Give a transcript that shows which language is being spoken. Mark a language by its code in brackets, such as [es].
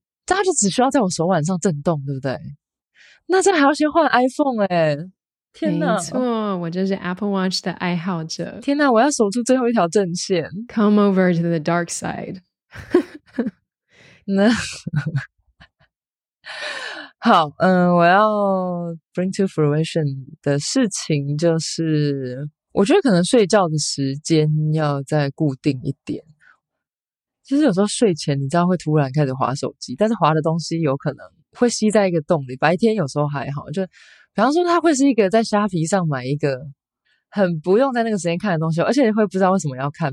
[zh] 它就只需要在我手腕上震动，对不对？那这还要先换 iPhone 天哪！没错，我就是 Apple Watch 的爱好者。天哪，我要守住最后一条阵线。 [en] Come over to the dark side. [zh] 那好，我要 bring to fruition 的事情就是，我觉得可能睡觉的时间要再固定一点。就是有时候睡前你知道会突然开始滑手机，但是滑的东西有可能会吸在一个洞里，白天有时候还好，就比方说它会是一个在虾皮上买一个很不用在那个时间看的东西，而且会不知道为什么要看。